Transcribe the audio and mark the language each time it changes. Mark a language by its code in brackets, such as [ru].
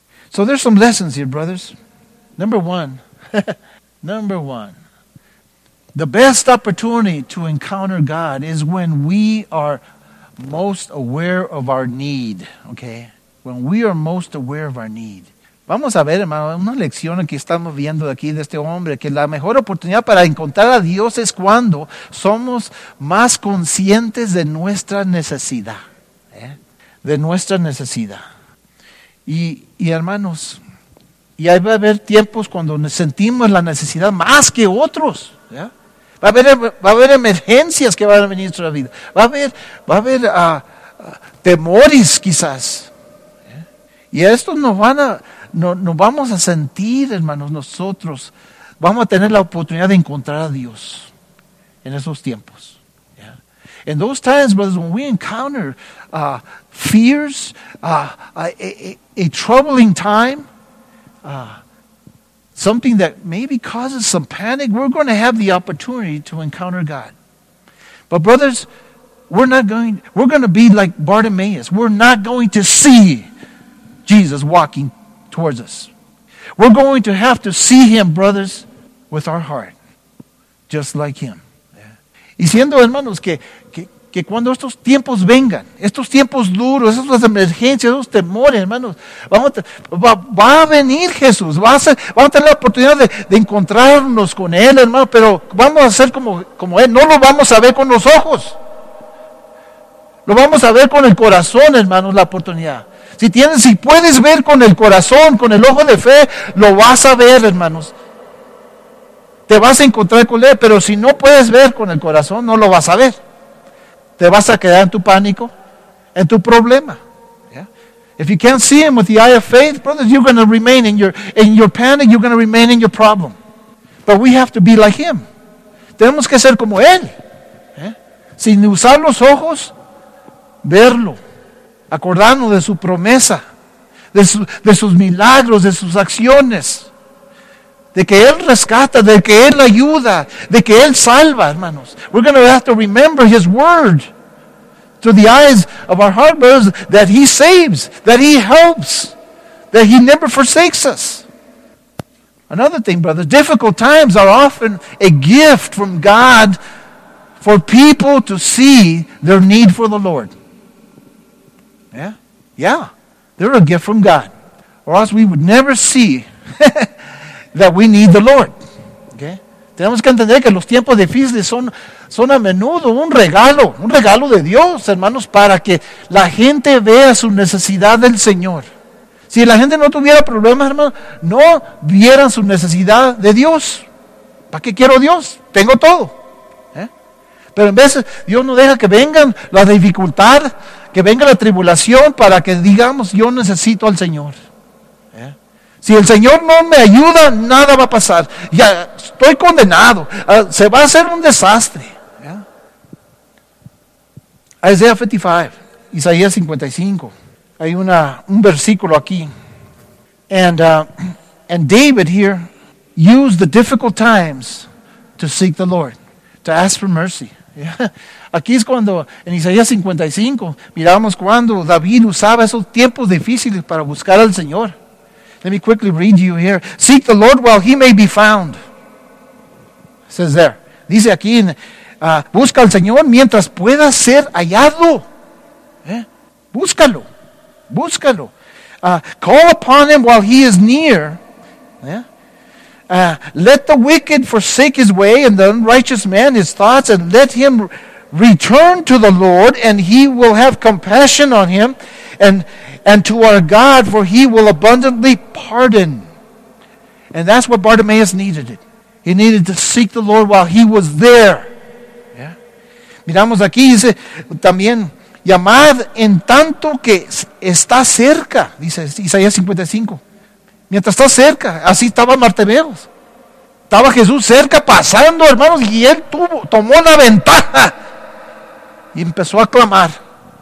[en] So there's some lessons here, brothers. Number one, the best opportunity to encounter God is when we are most aware of our need, okay? When we are most aware of our need. [es] Vamos a ver, hermano, una lección que estamos viendo aquí de este hombre, que la mejor oportunidad para encontrar a Dios es cuando somos más conscientes de nuestra necesidad, ¿eh? De nuestra necesidad. Y hermanos, y ahí va a haber tiempos cuando nos sentimos la necesidad más que otros, ¿eh? Va a haber emergencias que van a venir en nuestra vida, va a haber temores quizás, ¿eh? Y estos nos van a... No vamos a sentir, hermanos, nosotros vamos a tener la oportunidad de encontrar a Dios en esos tiempos. [en] Yeah. In those times, brothers, when we encounter fears, a troubling time, something that maybe causes some panic, we're going to have the opportunity to encounter God. But brothers, we're going to be like Bartimaeus. We're not going to see Jesus walking towards us. We're going to have to see him, brothers, with our heart, just like him. [es] Yeah. Y siendo, hermanos, que cuando estos tiempos vengan, estos tiempos duros, esas emergencias, esos temores, hermanos, va a venir Jesús, va a tener la oportunidad de encontrarnos con él, hermano, pero vamos a ser como él, no lo vamos a ver con los ojos, lo vamos a ver con el corazón, hermanos, la oportunidad. Si puedes ver con el corazón, con el ojo de fe, lo vas a ver, hermanos. Te vas a encontrar con él, pero si no puedes ver con el corazón, no lo vas a ver. Te vas a quedar en tu pánico, en tu problema. [en] Yeah. If you can't see him with the eye of faith, brothers, you're going to remain in your panic, you're going to remain in your problem. But we have to be like him. [es] Tenemos que ser como él. [en] Yeah. [es] Sin usar los ojos, verlo. Acordarnos de su promesa, de sus milagros, de sus acciones, de que Él rescata, de que Él ayuda, de que Él salva, hermanos. [en] We're going to have to remember His word through the eyes of our heart, brothers, that He saves, that He helps, that He never forsakes us. Another thing, brothers, difficult times are often a gift from God for people to see their need for the Lord. Yeah? Yeah. They're a gift from God. Or else we would never see that we need the Lord. Okay? [es] Tenemos que entender que los tiempos difíciles son a menudo un regalo de Dios, hermanos, para que la gente vea su necesidad del Señor. Si la gente no tuviera problemas, hermanos, no vieran su necesidad de Dios. ¿Para qué quiero Dios? Tengo todo. Pero en veces Dios no deja que vengan la dificultad, que venga la tribulación para que digamos, yo necesito al Señor. Si el Señor no me ayuda, nada va a pasar. Ya estoy condenado. Se va a hacer un desastre. Isaías 55, Isaías 55. Hay un versículo aquí. [en] And David here used the difficult times to seek the Lord, to ask for mercy. Yeah. [es] Aquí es cuando en Isaías 55 miramos cuando David usaba esos tiempos difíciles para buscar al Señor. [en] Let me quickly read you here. Seek the Lord while he may be found. It says there. [es] Dice aquí, busca al Señor mientras pueda ser hallado. ¿Eh? Búscalo. Búscalo. [en] Call upon him while he is near. ¿Eh? Let the wicked forsake his way and the unrighteous man his thoughts and let him return to the Lord and he will have compassion on him and to our God, for he will abundantly pardon. And that's what Bartimaeus needed. He needed to seek the Lord while he was there. Yeah. [es] Miramos aquí, dice también, llamad en tanto que está cerca, dice Isaías 55. Mientras está cerca, así estaba Bartimaeus. Estaba Jesús cerca, pasando, hermanos, y él tomó la ventaja y empezó a clamar.